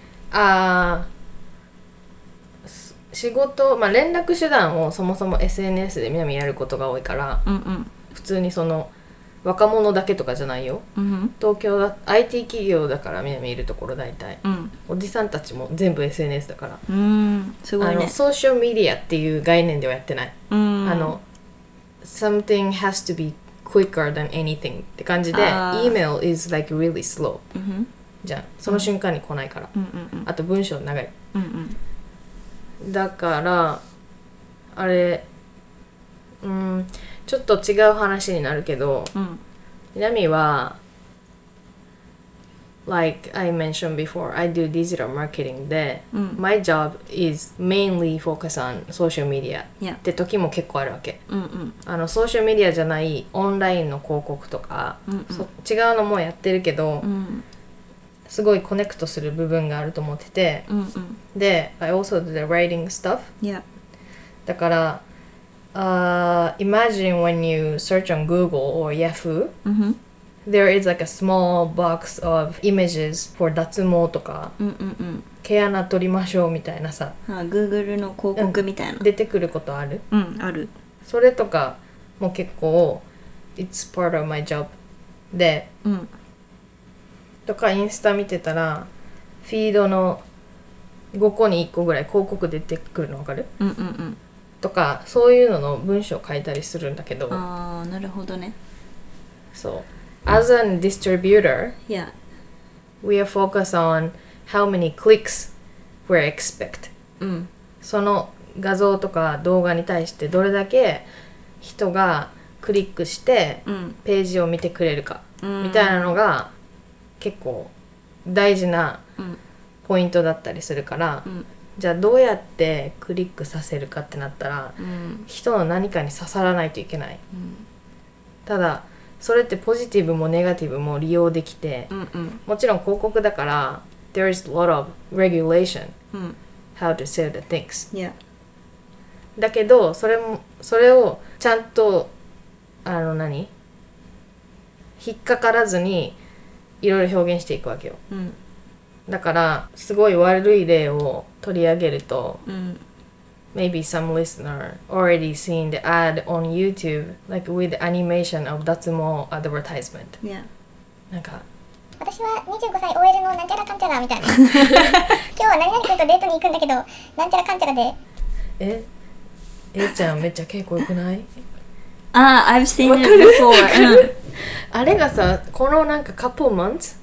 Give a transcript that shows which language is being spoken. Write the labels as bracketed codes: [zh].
[ja] あ仕事、まあ、連絡手段をそもそも SNS でみなみやることが多いから、うんうん、普通にその若者だけとかじゃないよ、うん、東京だ IT 企業だからみなみいるところ大体、うん、おじさんたちも全部 SNS だからうんすごいねあのソーシャルメディアっていう概念ではやってないう [en] んあの Something has to beQuicker than anything [ja] って感じで、 [en] email is like really slow、 mm-hmm. [ja] じゃん、その瞬間に来ないから、 mm-hmm. あと文章長い、 mm-hmm. だから、あれ、うん、ちょっと違う話になるけど、 mm-hmm. みなみは [en] like I mentioned before, I do digital marketing で、うん、 my job is mainly focus on social media、 yeah. [ja] って時も結構あるわけ、うんうん、あのソーシャルメディアじゃないオンラインの広告とか、うんうん、違うのもやってるけど、うん、すごいコネクトする部分があると思ってて、うんうん、 [en] で I also do the writing stuff、 yeah. だから、imagine when you search on Google or Yahoo、 mm-hmm. There is like a small box of images for 脱毛とか、うんうんうん、 [ja] 毛穴取りましょうみたいなさ、はあ、Google の広告みたいな、うん、出てくることある？うん、ある。それとかも結構 [en] It's part of my job で、うん、 [ja] とかインスタ見てたらフィードの5個に1個ぐらい広告出てくるのわかる？うんうんうん、とかそういうのの文章を書いたりするんだけど、ああ、なるほどね。 [en] そう。As a distributor, yeah, we are focused on how many clicks we expect. うん。 [ja] その画像とか動画に対してどれだけ人がクリックしてページを見てくれるかみたいなのが結構大事なポイントだったりするから、じゃあどうやってクリックさせるかってなったら、人の何かに刺さらないといけない。ただそれってポジティブもネガティブも利用できて、うんうん、もちろん広告だから [en] There is a lot of regulation、うん、 how to sell the things、 yeah. [ja] だけどそれをちゃんと引っかからずにいろいろ表現していくわけよ、うん、だからすごい悪い例を取り上げると、うん、 [en] Maybe some listener already seen the ad on YouTube, like with animation of 脱毛 advertisement. Yeah. [ja] なんか私は25歳 OL のなんちゃらかんちゃらみたいな。今日は何々君とデートに行くんだけど、なんちゃらかんちゃらで。え？えちゃんめっちゃ結構よくない？ [en] ああ、I've seen it before. [ja] あれがさ、このなんか [en] couple months,